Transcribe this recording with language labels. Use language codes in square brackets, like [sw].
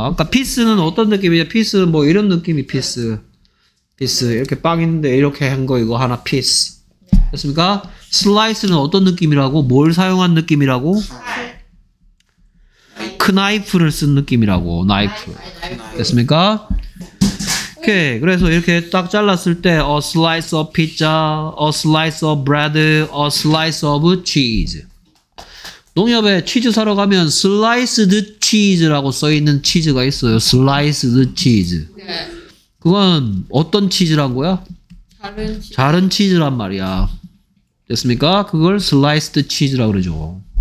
[ko] 그러니까 피스는 어떤 느낌이냐? 피스는 뭐 이런 느낌이 피스. 피스. 이렇게 빵인데 이렇게 한 거 이거 하나 피스. 됐습니까? 슬라이스는 어떤 느낌이라고? 뭘 사용한 느낌이라고? 큰 나이프를 쓴 느낌이라고. 나이프. 됐습니까? 오케이. 그래서 이렇게 딱 잘랐을 때 [en] a slice of pizza, a slice of bread, a slice of cheese. [ko] 농협에 치즈 사러 가면 sliced cheese라고 써있는 치즈가 있어요. sliced cheese. 그건 어떤 치즈란 거야? 자른 치즈란 말이야. 됐습니까? 그걸 sliced cheese라고 그러죠.